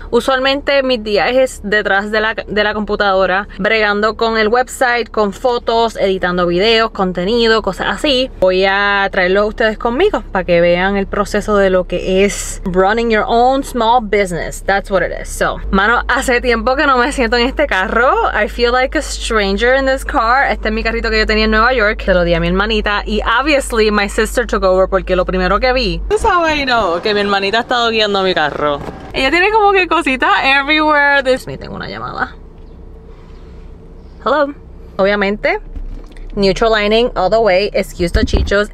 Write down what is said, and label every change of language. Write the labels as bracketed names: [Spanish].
[Spanish] Usualmente mis días es detrás de la computadora, bregando con el website, con fotos, editando videos, contenido, cosas así. Voy a traerlo a ustedes conmigo para que vean el proceso de lo que es [English] running your own small business. That's what it is. [Spanish] So, mano, hace tiempo que no me siento en este carro. [English] I feel like a stranger in this car. [Spanish] Este es mi carrito que yo tenía en Nueva York. Se lo di a mi hermanita. Y [English] obviously my sister took over [Spanish] porque lo primero que vi. ¿Tú sabes, no? Que mi hermanita ha estado guiando mi carro. Ella tiene como que cositas everywhere. Me tengo una llamada. Hello. Obviamente, [English] Neutral Lining all the way. Excuse the chichos.